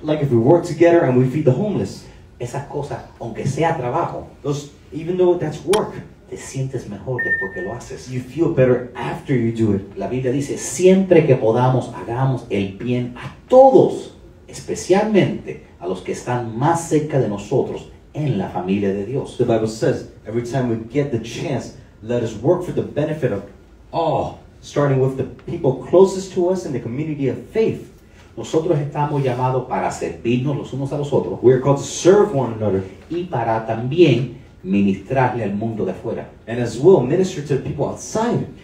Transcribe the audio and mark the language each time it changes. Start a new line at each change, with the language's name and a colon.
English: Like if we work together and we feed the homeless.
Spanish: Esas cosas, aunque sea trabajo.
English: Those, even though that's work.
Spanish: Te sientes mejor después que lo haces.
English: You feel better after you do it.
Spanish: La Biblia dice, siempre que podamos, hagamos el bien a todos. Especialmente a los que están más cerca de nosotros. En la familia de Dios.
English: The Bible says, every time we get the chance, let us work for the benefit of all, starting with the people closest to us in the community of faith.
Spanish: Nosotros estamos llamados para servirnos los unos a los otros.
English: We are called to serve one another.
Spanish: Y para también ministrarle al mundo de afuera.
English: And as well, minister to the people outside.